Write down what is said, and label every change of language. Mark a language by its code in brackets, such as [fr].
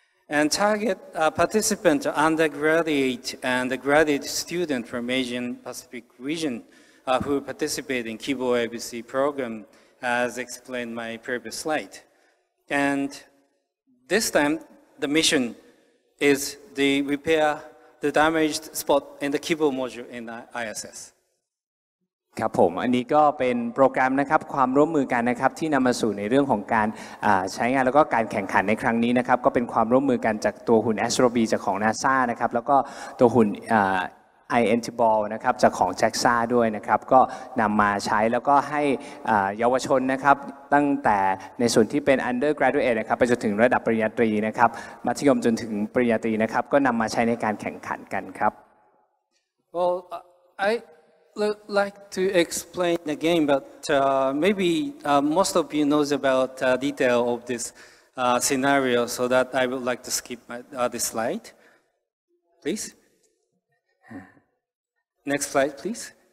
[en] And target participants are undergraduate and graduate student from Asian Pacific region who participate in Kibo ABC program as explained my previous slide. And this time, the mission is to repair the damaged spot in the Kibo module in the ISS. [th] ครับผมอันนี้ก็เป็นโปรแกรมนะครับความร่วมมือกันนะครับที่นำมาสู่ในเรื่องของการใช้งานแล้วก็การแข่งขันในครั้งนี้นะครับก็เป็นความร่วมมือกันจากตัวหุ่น Astro B จากของ NASA นะครับแล้วก็ตัวหุ่นiNTball นะครับจากของ JAXA ด้วยนะครับก็นำมาใช้แล้วก็ให้เยาวชนนะครับตั้งแต่ในส่วนที่เป็น Undergraduate นะครับไปจนถึงระดับปริญญาตรีนะครับมัธยมจนถึงปริญญาตรีนะครับก็นำมาใช้ในการแข่งขันกันครับ [en] Well I like to explain again but maybe most of you knows about detail of this scenario so that I would like to skip my this slide pleaseNext slide, please.